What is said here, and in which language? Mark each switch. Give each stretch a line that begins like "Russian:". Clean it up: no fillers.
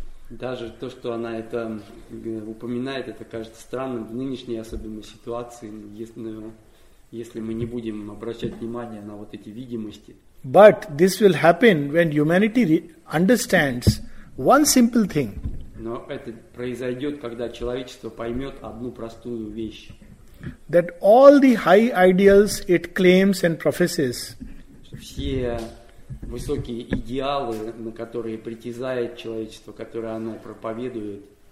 Russian: Даже то, что она это упоминает, это кажется странным в нынешней особенной ситуации, если мы не будем обращать внимание на вот эти видимости.
English: But this will happen when humanity understands one simple thing.
Russian: Но это произойдет, когда человечество поймет одну простую вещь.
English: That all the high ideals it claims and professes.
Russian: Все высокие идеалы, на которые притязает человечество, которые оно проповедует,